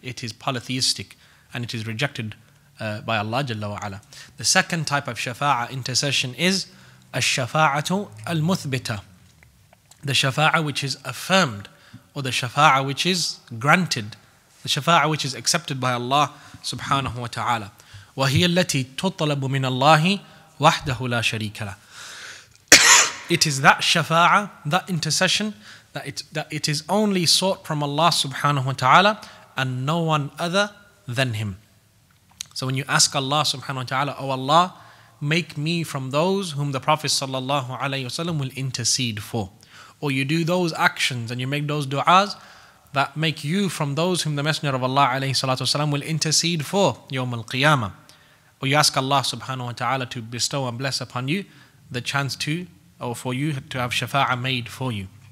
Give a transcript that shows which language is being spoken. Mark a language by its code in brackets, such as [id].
[en] It is polytheistic and it is rejected by Allah jalla wa ala. The second type of shafa'ah intercession is الشفاعة المثبتة. The shafa'ah which is affirmed, or the shafa'ah which is granted, the shafa'ah which is accepted by Allah subhanahu wa ta'ala. [ar] وهي التي تطلب من الله وحده لا شريك له. [en] It is that shafa'ah, that intercession, that it is only sought from Allah subhanahu wa ta'ala and no one other than him. So when you ask Allah subhanahu wa ta'ala, oh Allah, make me from those whom the Prophet sallallahu alayhi wasallam will intercede for, or you do those actions and you make those du'as that make you from those whom the Messenger of Allah alayhi salatu wasalam will intercede for yawm al-qiyamah, or you ask Allah subhanahu wa ta'ala to bestow and bless upon you the chance to, or for you to have shafa'ah made for you.